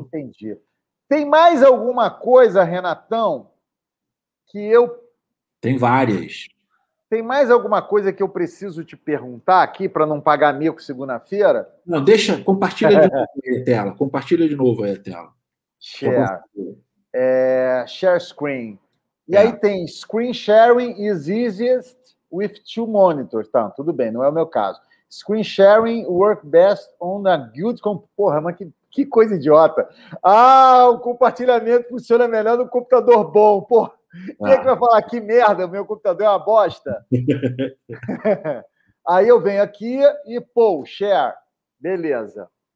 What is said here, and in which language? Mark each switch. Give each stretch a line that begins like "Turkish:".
Portuguese: Entendi. Tem mais alguma coisa, Renatão? que eu... Tem várias. Tem mais alguma coisa que eu preciso te perguntar aqui para não pagar mico segunda-feira? Não, deixa, compartilha de novo aí a tela. Compartilha de novo aí a tela.
English: Share. Share screen.
Portuguese: E aí tem
English: screen sharing is easiest with two monitors.
Portuguese: Tá, tudo bem, não é o meu caso.
English: Screen sharing work best on a good computer.
Portuguese: Porra, mas que coisa idiota. Ah, o compartilhamento funciona melhor no computador bom. Porra. Quem é que vai falar que merda? Meu computador é uma bosta. Aí eu venho aqui e pô, share. Beleza.